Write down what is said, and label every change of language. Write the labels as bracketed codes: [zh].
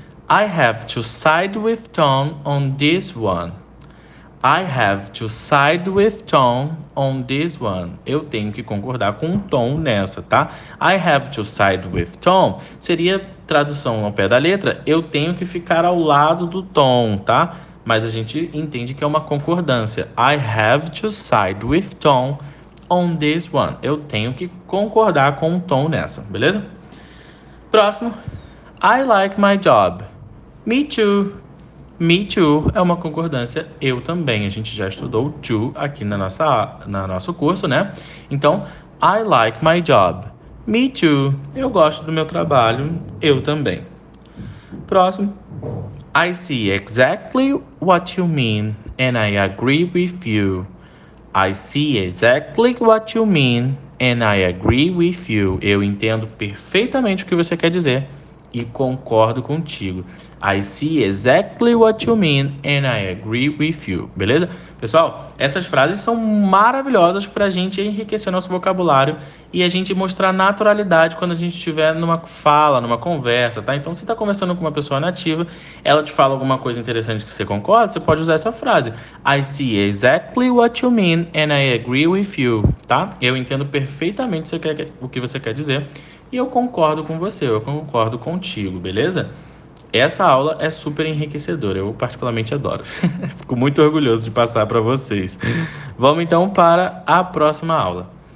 [en] I have to side with Tom on this one. I have to side with Tom on this one. [pt] Eu tenho que concordar com o Tom nessa, tá? [en] I have to side with Tom [pt] seria tradução ao pé da letra. Eu tenho que ficar ao lado do Tom, tá? Mas a gente entende que é uma concordância. [en] I have to side with Tom on this one. [pt] Eu tenho que concordar com o Tom nessa, beleza? Próximo. [en] I like my job. Me too. Me too [pt] é uma concordância. Eu também. A gente já estudou to aqui na nosso curso, né? Então, [en] I like my job. Me too. [pt] Eu gosto do meu trabalho. Eu também. Próximo. [en] I see exactly what you mean, and I agree with you. I see exactly what you mean, and I agree with you. [pt] Eu entendo perfeitamente o que você quer dizer e concordo contigo. [en] I see exactly what you mean, and I agree with you. [pt] Beleza? Pessoal, essas frases são maravilhosas para a gente enriquecer nosso vocabulário e a gente mostrar naturalidade quando a gente estiver numa fala, numa conversa, tá? Então, se você está conversando com uma pessoa nativa, ela te fala alguma coisa interessante que você concorda, você pode usar essa frase. [en] I see exactly what you mean, and I agree with you, [pt] tá? Eu entendo perfeitamente o que você quer dizer e eu concordo com você, eu concordo contigo, beleza? Essa aula é super enriquecedora, eu particularmente adoro. Fico muito orgulhoso de passar para vocês. Vamos então para a próxima aula.